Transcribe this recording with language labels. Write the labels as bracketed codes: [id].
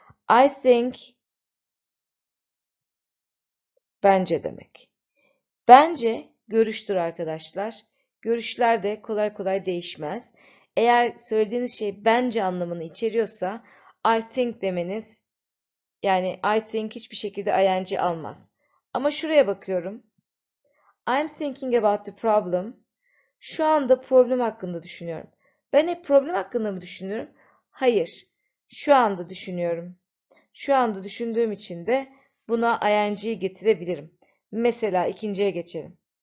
[en] I think [tr] bence demek. Bence görüştür arkadaşlar. Görüşler de kolay kolay değişmez. Eğer söylediğiniz şey bence anlamını içeriyorsa [en] I think [tr] demeniz yani I think hiçbir şekilde ing almaz. Ama şuraya bakıyorum. [en] I'm thinking about the problem. [tr] Şu anda problem hakkında düşünüyorum. Ben hep problem hakkında mı düşünüyorum? Hayır. Şu anda düşünüyorum. Şu anda düşündüğüm için de buna ing'i getirebilirim. Mesela ikinciye geçelim.